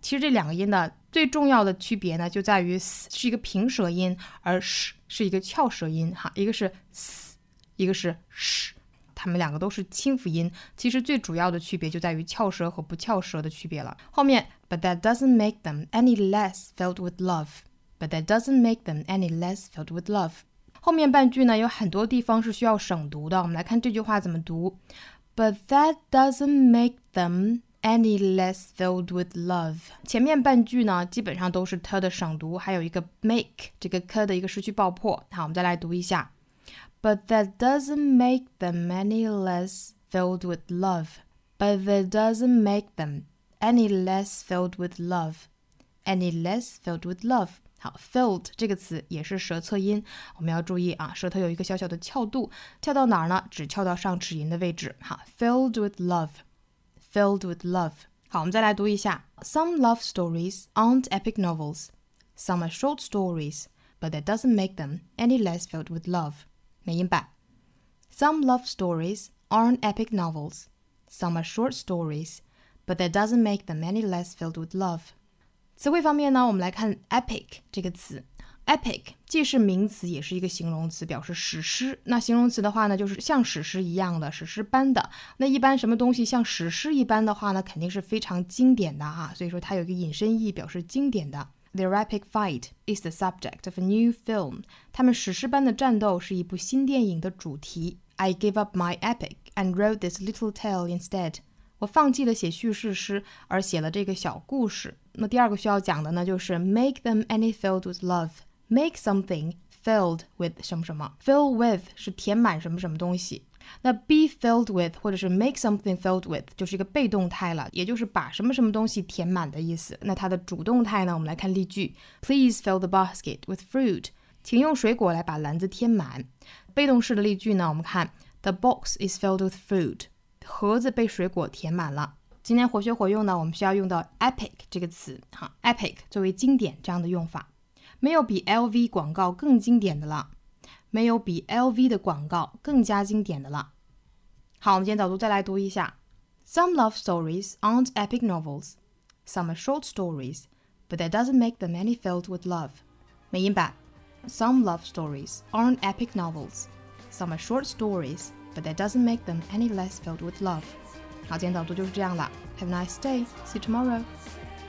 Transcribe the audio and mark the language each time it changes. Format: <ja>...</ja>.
<zh>其实这两个音的最重要的区别呢就在于 s 是一个平舌音，而 sh 是一个翘舌音哈，一个是 s 一个是 sh， 它们两个都是清辅音，其实最主要的区别就在于翘舌和不翘舌的区别了。后面</zh> <en>but that doesn't make them any less filled with loveBut that doesn't make them any less filled with love.</en> <zh>后面半句呢有很多地方是需要省读的，我们来看这句话怎么读。</zh> <en>But that doesn't make them any less filled with love.</en> <zh>前面半句呢基本上都是 t 的省读，还有一个 make 这个 k 的一个失去爆破。好，我们再来读一下。</zh> <en>But that doesn't make them any less filled with love. But that doesn't make them any less filled with love. Any less filled with love.</en> <zh>好， filled 这个词也是舌侧音，我们要注意啊，舌头有一个小小的翘度，翘到哪儿呢？只翘到上齿龈的位置。好，</zh> <en>filled with love， filled with love。</en> <zh>好，我们再来读一下。</zh> <en>Some love stories aren't epic novels. Some are short stories, but that doesn't make them any less filled with love.</en> <zh>美音版。</zh> <en>Some love stories aren't epic novels. Some are short stories, but that doesn't make them any less filled with love.</en> <zh>词汇方面呢，我们来看 epic 这个词。epic 既是名词也是一个形容词，表示史诗。那形容词的话呢就是像史诗一样的，史诗般的。那一般什么东西像史诗一般的话呢肯定是非常经典的啊，所以说它有一个引申义表示经典的。</zh> <en>Their epic fight is the subject of a new film.</en> <zh>他们史诗般的战斗是一部新电影的主题。</zh> <en>I gave up my epic and wrote this little tale instead.</en> <zh>我放弃了写叙事诗，而写了这个小故事。那第二个需要讲的呢，就是</zh> <en>make them any filled with love. Make something filled with</en> <zh>什么什么。</zh> <en>Fill with</en> <zh>是填满什么什么东西。那 be filled with 或者是 make something filled with 就是一个被动态了，也就是把什么什么东西填满的意思。那它的主动态呢，我们来看例句。</zh> <en>Please fill the basket with fruit.</en> <zh>请用水果来把篮子填满。被动式的例句呢，我们看</zh> <en>The box is filled with fruit.</en> <zh>盒子被水果填满了。今天活学活用呢，我们需要用到 epic 这个词哈， epic 作为经典这样的用法。没有比 LV 广告更经典的了，没有比 LV 的广告更加经典的了。好，我们今天早读再来读一下。</zh> <en>Some love stories aren't epic novels. Some are short stories, but that doesn't make them any filled with love.</en> <zh>美音版。</zh> <en>Some love stories aren't epic novels. Some are short stories,But that doesn't make them any less filled with love.</en> <zh>好，今天早读就是这样了。</zh> <en>Have a nice day. See you tomorrow.</en>